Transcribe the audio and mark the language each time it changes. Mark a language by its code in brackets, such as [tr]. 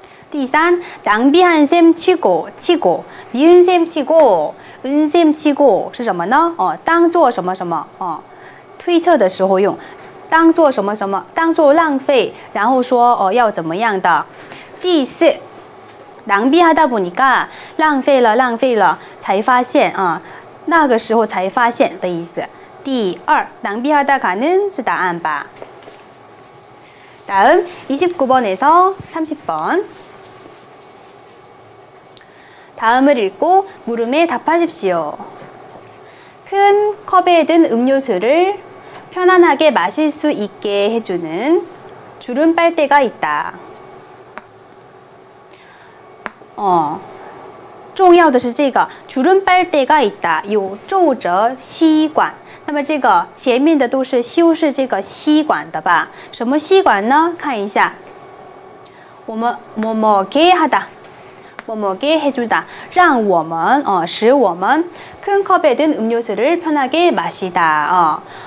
[zh] 第三 낭비한 셈 치고 니은 셈 치고 은 셈 치고是什么呢 当做什么什么推测的时候用当做什么什么当做浪费然后说要怎么样的 第四, 낭비하다 보니까 浪费了,浪费了,才发现,那个时候才发现的意思。第二,낭비하다가는是答案吧? [ko] 다음 29번에서 30번 다음을 읽고 물음에 답하십시오. 큰 컵에 든 음료수를 편안하게 마실 수 있게 해주는 주름 빨대가 있다. 중요 [zh] 的是这个 [ko] 주름 빨대가 있다. [zh] 요조저吸管那么这个前面的都是修饰这个吸管的吧什么吸管呢看一下 뭐뭐게 해주다. 让我们,使我们, [ko] 큰 컵에 든 음료수를 편하게 마시다.